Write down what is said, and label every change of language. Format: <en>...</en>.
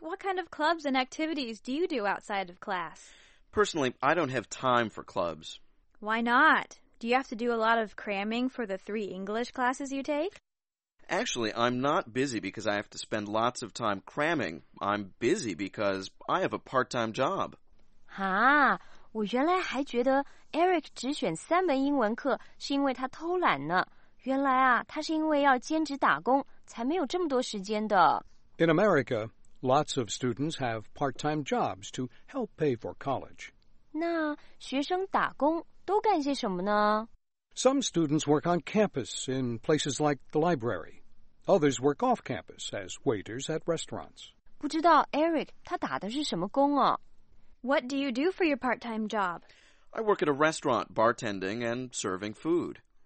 <en>What kind of clubs and activities do you do outside of class? Personally, I don't have time for clubs. Why not? Do you have to do a lot of cramming for the three English classes you take? Actually, I'm not busy because I have to spend lots of time cramming. I'm busy because I have a part-time job.</en> <zh>哈，我原来还觉得 Eric 只选三门英文课是因为他偷懒呢。原来啊，他是因为要兼职打工，才没有这么多时间的。</zh> <en>In America, Lots of students have part-time jobs to help pay for college.</en> <zh>那学生打工都干些什么呢?</zh> <en>Some students work on campus in places like the library. Others work off campus as waiters at restaurants.</en> <zh>不知道 Eric 他打的是什么工啊?</zh> <en>What do you do for your part-time job? I work at a restaurant bartending and serving food.</en>